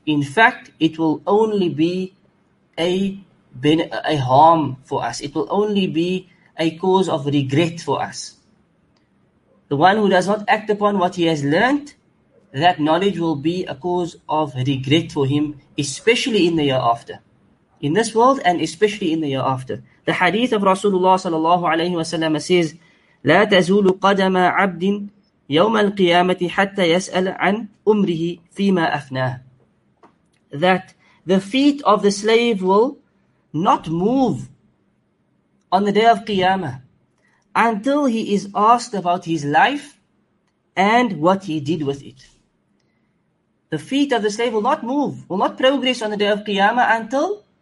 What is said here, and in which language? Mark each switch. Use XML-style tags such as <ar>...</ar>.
<en>In fact, it will only be a harm for us. It will only be a cause of regret for us. The one who does not act upon what he has learnt, that knowledge will be a cause of regret for him, especially in the year after. In this world and especially in the year after. The hadith of Rasulullah sallallahu alayhi wa sallam says,</en> <ar>لا تزول قدم عبد يوم القيامة حتى يسأل عن أمره فيما أفناه.</ar> <en>That the feet of the slave will not move on the day of Qiyamah until he is asked about his life and what he did with it. The feet of the slave will not move, will not progress on the day of Qiyamah until</en>